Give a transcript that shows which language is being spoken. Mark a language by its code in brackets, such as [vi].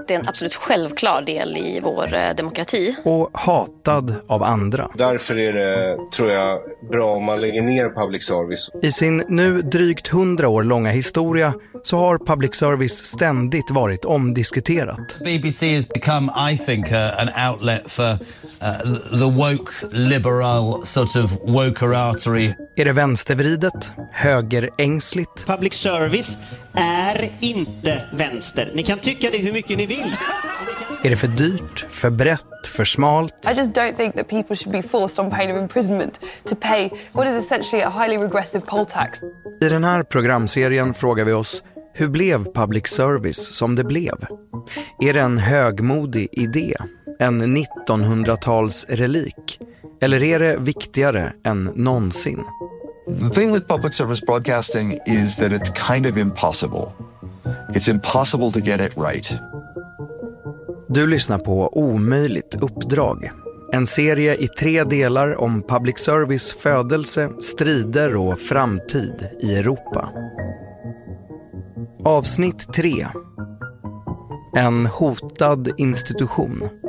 [sv] Det är en absolut självklar del i vår demokrati. Och hatad av andra. Därför är det, tror jag, bra om man lägger ner public service. I sin nu drygt 100 år långa historia så har public service ständigt varit omdiskuterat. [en] BBC has become, I think, an outlet for the woke liberal sort of woke artery. [sv] Är det vänstervridet, högerängsligt? Public service är inte vänster. Ni kan tycka det hur mycket ni vill. Är det för dyrt, för brett, för smalt? [en] I just don't think that people should be forced on pain of imprisonment to pay what is essentially a highly regressive poll tax. [sv] I den här programserien frågar vi oss: hur blev public service som det blev? Är det en högmodig idé, en 1900-tals relik, eller är det viktigare än någonsin? [en] The thing with public service broadcasting is that it's kind of impossible. It's impossible to get it right. [sv] Du lyssnar på Omöjligt uppdrag, en serie i tre delar om public service födelse, strider och framtid i Europa. Avsnitt 3. En hotad institution.